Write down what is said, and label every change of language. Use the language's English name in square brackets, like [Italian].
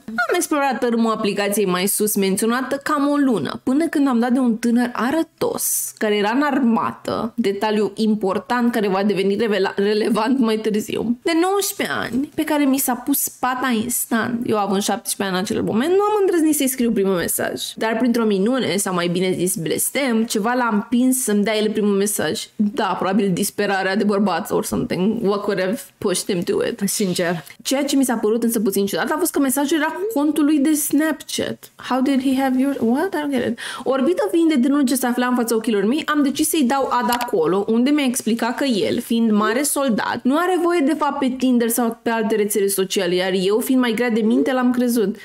[Romanian] Am explorat tărmul aplicației mai sus menționată cam o lună, până când am dat de un tânăr arătos, care era în armată, detaliu important care va deveni relevant mai târziu, de 19 ani, pe care mi s-a pus pata instant. Eu, având 17 ani în acel moment, nu am îndrăznit să-i scriu primul mesaj. Dar printr-o minune, sau mai bine zis blestem, ceva l-a împins să-mi dea el primul mesaj. Da, probabil disperarea de bărbat [English] or something, what could have pushed him to it. [Romanian] Sincer. Ceea ce mi s-a părut însă puțin ciudat a fost că mesajul era contul lui de Snapchat. [English] How did he have your... What? I don't get it. [Romanian] Orbită fiind de drumul ce se afla în fața ochilor mii, am decis să-i dau ad acolo, unde mi-a explicat că el, fiind mare soldat, nu are voie de fapt pe Tinder sau pe alte rețele sociale, iar eu, fiind mai grea de minte, l-am crezut.